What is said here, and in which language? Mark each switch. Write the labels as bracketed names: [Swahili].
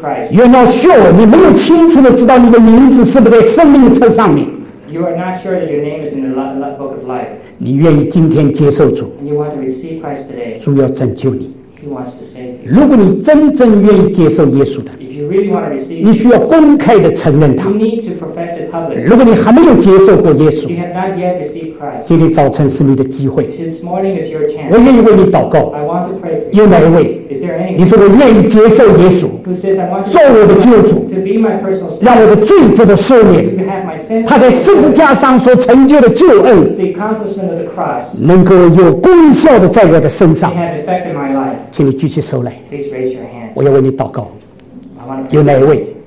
[Chinese] 愿要秀，你没有清楚地知道你的名字是不是在生命册上面。 [English] You are not sure that your name is in the book of life. [Chinese] 你愿意今天接受主？ [English] And you want to receive Christ today. [Chinese] 主要拯救你。 [English] He wants to save you. [Chinese] 如果你真正愿意接受耶稣的， [English] If you really want to receive, [Chinese] 你需要公开地承认他。 [English] You need to profess it publicly. [Chinese] 如果你还没有接受过耶稣， [English] You have not yet received Christ. [Chinese] 今天早晨是你的机会。 [English] This morning is your chance. [Chinese] 我愿意为你祷告。 [English] I want to pray for you. [Chinese] 有哪一位？你说我愿意接受耶稣做我的救主，让我的罪得到赦免，他在十字架上所成就的救恩能够有功效的在我的身上，请你举起手来，我要为你祷告。有哪一位？